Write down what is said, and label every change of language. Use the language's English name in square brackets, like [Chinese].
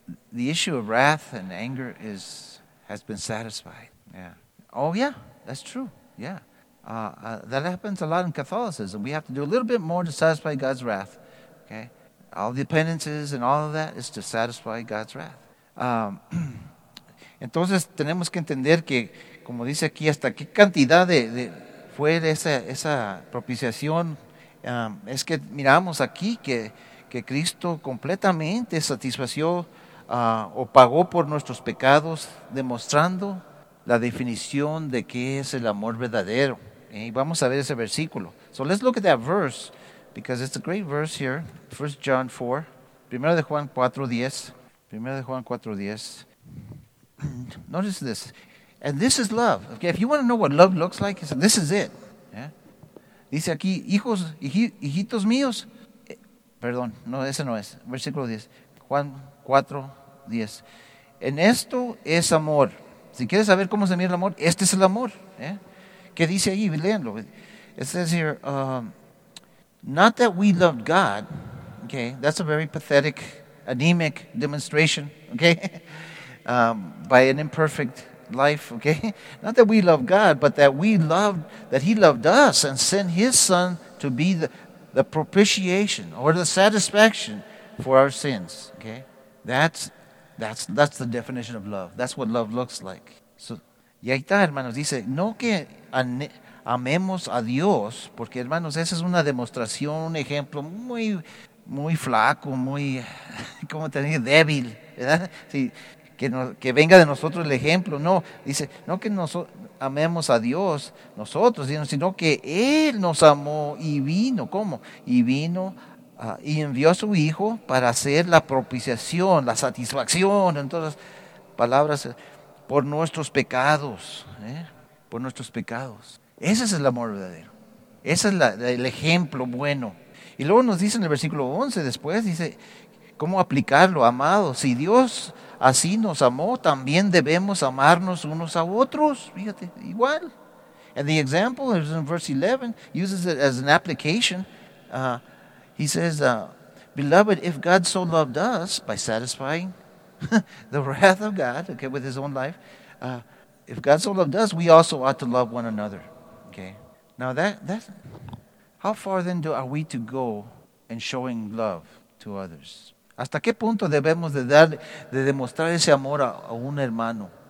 [English] The issue of wrath and anger has been satisfied. Yeah. Oh, yeah, that's true. Yeah. That happens a lot in Catholicism. We have to do a little bit more to satisfy God's wrath. Okay. All the penances and all of that is to satisfy God's wrath. [Spanish] Entonces, tenemos que entender que, como dice aquí, hasta qué cantidad de fue esa propiciación. Es que miramos aquí que Cristo completamente satisfació o pagó por nuestros pecados, demostrando la definición de qué es el amor verdadero. Y vamos a ver ese versículo. [English] So let's look at that verse, because it's a great verse here. 1 John 4, [Spanish] 1 de Juan 4:10. 1 de Juan 4:10. [English] Notice this. And this is love. Okay, if you want to know what love looks like, this is it. [Spanish] Yeah? Dice aquí, hijos, hijitos míos. Perdón, no, ese no es. Versículo 10. Juan 4:10. En esto es amor. Si quieres saber cómo se mira el amor, este es el amor. Yeah? ¿Qué dice ahí? Léanlo. [English] It says here, not that we loved God. Okay, that's a very pathetic, anemic demonstration. Okay, by an imperfect life, okay? Not that we love God, but that He loved us and sent His Son to be the propitiation or the satisfaction for our sins, okay? That's the definition of love. That's what love looks like. [Spanish] So, y ahí está, hermanos, dice, no que amemos a Dios, porque, hermanos, esa es una demostración, un ejemplo muy, muy flaco, muy, ¿cómo te digo? Débil, ¿verdad? Sí. Que venga de nosotros el ejemplo. No, dice, no que nosotros amemos a Dios, nosotros, sino que Él nos amó y vino. ¿Cómo? Y vino y envió a su Hijo para hacer la propiciación, la satisfacción, en todas palabras, por nuestros pecados. Por nuestros pecados. Ese es el amor verdadero. Ese es el ejemplo bueno. Y luego nos dice en el versículo 11, después dice, ¿cómo aplicarlo, amado? Si Dios así nos amó, también debemos amarnos unos a otros. Fíjate, igual. [English] And the example is in verse 11, uses it as an application. He says, beloved, if God so loved us by satisfying the wrath of God, okay, with his own life, if God so loved us, we also ought to love one another. Okay. Now that how far then are we to go in showing love to others? [Spanish] ¿Hasta qué punto debemos de demostrar ese amor a un hermano?